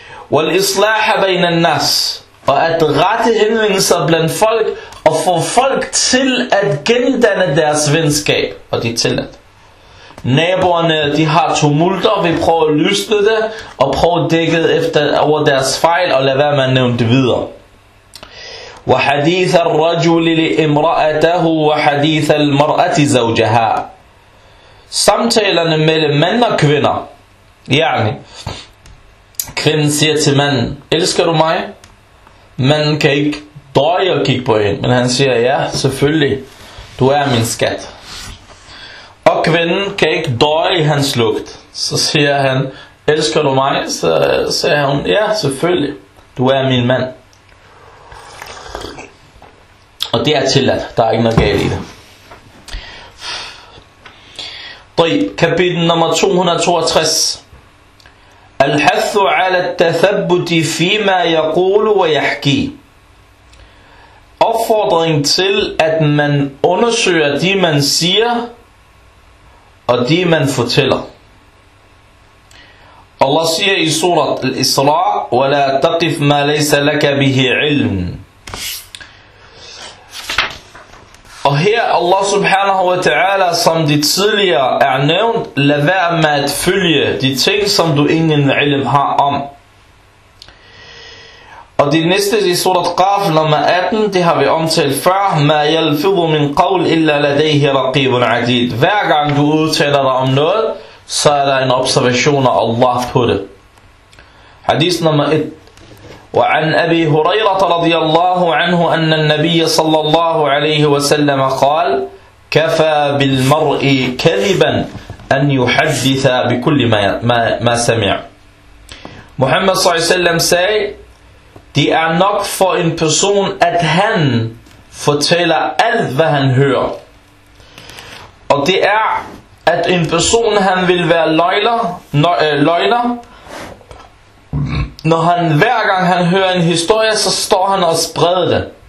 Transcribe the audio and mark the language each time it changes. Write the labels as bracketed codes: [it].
[ar] والإصلاح بين الناس [da] og at rette henvendelser blandt folk og få folk til at gendanne deres venskab og de tillid. Naboerne, de har tumulter, vi prøver at løsne det og prøver at dække efter over deres fejl og lade være med at nævne det videre. [ar] وحديث الرجل لامرأته وحديث المرأة زوجها. [da] Samtalerne mellem mænd og kvinder. يعني kvinden siger til manden, elsker du mig? Manden kan ikke døje at kigge på hende, men han siger, ja, selvfølgelig, du er min skat. Og kvinden kan ikke døje hans lugt. Så siger han, elsker du mig? Så siger hun, ja, selvfølgelig, du er min mand. Og det er tilladt, der er ikke noget galt i det. Kapitel nummer 262. [ar] الحث على التثبت فيما يقول ويحكي. [da] Opfordring til at man undersøger de man siger og de man fortæller. Allah siger i surat al-Isra, [ar] ولا تقف ما ليس لك به علم. [da] Og her Allah subhanahu wa ta'ala, som de tidligere er nævnt, lad være med at følge de ting, som du ingen ilm har om. Og det næste i surat Qaf nummer 18, det har vi omtalt før. [ar] Ma yalfidhu min qawl illa ladayhi raqibun adid. [da] Hver gang du udtaler dig om noget, så er der en observation af Allah på det. Hadith nummer 1. [ar] وعن أبي هريرة رضي الله عنه أن النبي صلى الله عليه وسلم قال كفى بالمرء كذبا أن يحدث بكل ما سمع. [da] محمد صلى الله عليه وسلم say, det er nok for en person at han fortæller alt hvad han hører, og det er at en person han vil være løgner, når han hver gang han hører en historie, så står han og spreder det.